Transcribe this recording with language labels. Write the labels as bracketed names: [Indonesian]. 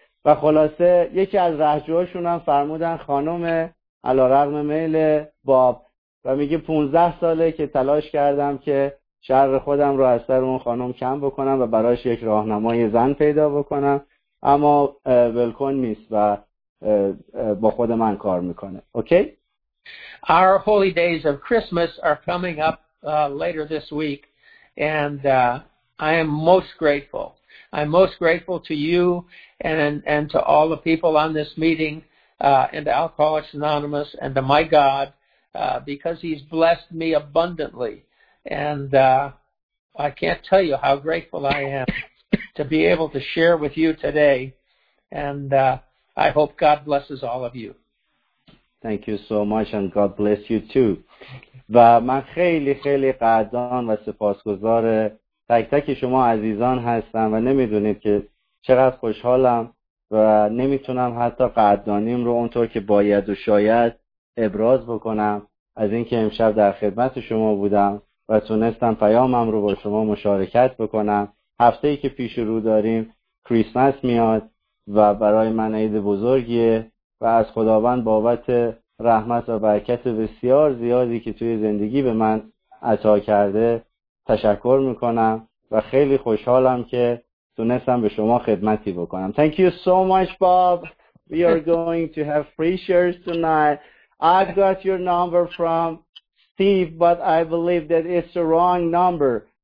[Persian] و خلاصه یکی از رهجوهاشون هم فرمودن خانم علی‌رغم میل باب و میگه 15 ساله که تلاش کردم که شر خودم رو از سر اون خانم کم بکنم و برایش یک راهنمای زن پیدا بکنم، اما ولکن نیست و با خود من کار میکنه. اوکی؟ [English] Our holy days of Christmas are coming up later this week, and I am most grateful. I'm most grateful to you and to all the people on this meeting and to Alcoholics Anonymous and to my God because he's blessed me abundantly. And I can't tell you how grateful I am to be able to share with you today. And I hope God blesses all of you. Thank you so much, and God bless you too. [Persian] و من خیلی خیلی قدردان و سپاسگزار تک تک شما عزیزان هستم و نمیدونید که چقدر خوشحالم و نمیتونم حتی قدردانیم رو اونطور که باید و شاید ابراز بکنم از اینکه امشب در خدمت شما بودم و تونستم پیامم رو با شما مشارکت بکنم. هفته‌ای که پیش رو داریم کریسمس میاد و برای من عید بزرگیه و از خداوند بابت رحمت و برکت بسیار زیادی که توی زندگی به من عطا کرده تشکر میکنم و خیلی خوشحالم که تونستم به شما خدمتی بکنم. [English] Thank you so much, Bob. We are going to have free shirts tonight. I've got your number from Steve, but I believe that it's the wrong number.